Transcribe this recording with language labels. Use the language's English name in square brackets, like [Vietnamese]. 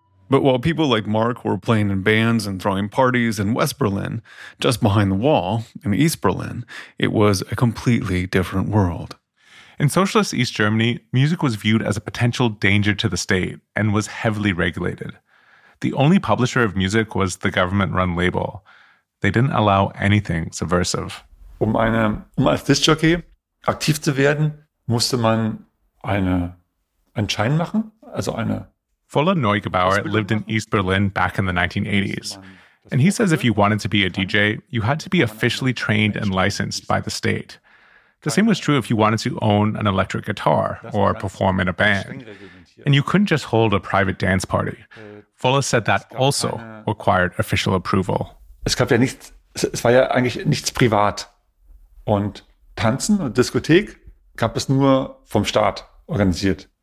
[English] But while people like Mark were playing in bands and throwing parties in West Berlin, just behind the wall in East Berlin, it was a completely different world. In socialist East Germany, music was viewed as a potential danger to the state and was heavily regulated. The only publisher of music was the government-run label. They didn't allow anything subversive. [German] Als Disc-Jockey aktiv zu werden, musste man einen Schein machen, also eine... [English] Fola Neugebauer lived in East Berlin back in the 1980s. And he says if you wanted to be a DJ, you had to be officially trained and licensed by the state. The same was true if you wanted to own an electric guitar or perform in a band. And you couldn't just hold a private dance party. Fola said that also required official approval. [German] Es gab ja nichts, es war ja eigentlich nichts privat. Und Tanzen und Diskothek gab es nur vom Staat organisiert.